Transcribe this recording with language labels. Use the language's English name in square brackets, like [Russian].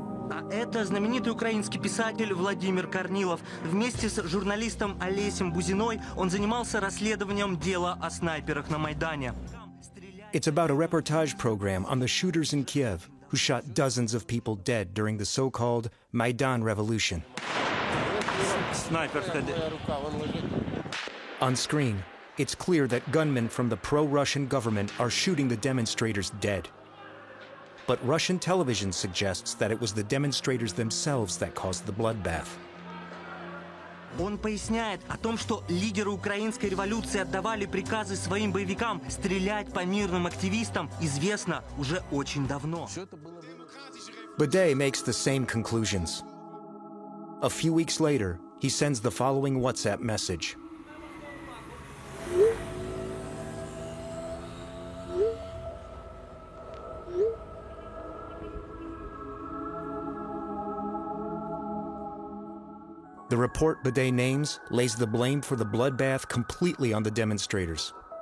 [Russian] А это знаменитый украинский писатель Владимир Корнилов. Вместе с журналистом Олесем Бузиной он занимался расследованием дела о снайперах на Майдане. [English] It's about a reportage program on the shooters in Kiev who shot dozens of people dead during the so-called Maidan revolution. [Russian] Снайпер тогда. [English] On screen, it's clear that gunmen from the pro-Russian government are shooting the demonstrators dead. But Russian television suggests that it was the demonstrators themselves that caused the bloodbath. [Russian] Он поясняет о том, что лидеры украинской революции отдавали приказы своим боевикам стрелять по мирным активистам, известно уже очень давно. [English] Baudet makes the same conclusions. A few weeks later, he sends the following WhatsApp message. The report Baudet names lays the blame for the bloodbath completely on the demonstrators.